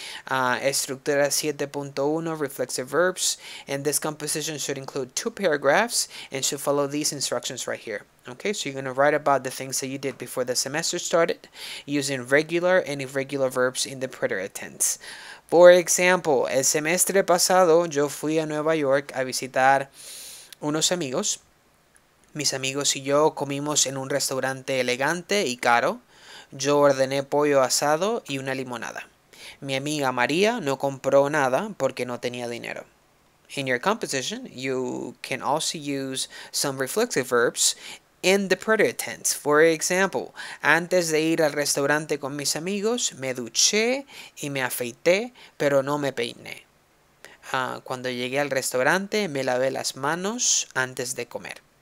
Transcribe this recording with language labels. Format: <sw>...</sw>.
<en>Estructura 7.1, reflexive verbs. And this composition should include two paragraphs and should follow these instructions right here. Okay, so you're going to write about the things that you did before the semester started using regular and irregular verbs in the preterite tense. For example,</en> <es>el semestre pasado yo fui a Nueva York a visitar unos amigos. Mis amigos y yo comimos en un restaurante elegante y caro. Yo ordené pollo asado y una limonada. Mi amiga María no compró nada porque no tenía dinero.</es> <en>In your composition, you can also use some reflexive verbs in the preterite tense. For example,</en> <es>antes de ir al restaurante con mis amigos, me duché y me afeité, pero no me peiné. Cuando llegué al restaurante, me lavé las manos antes de comer.</es>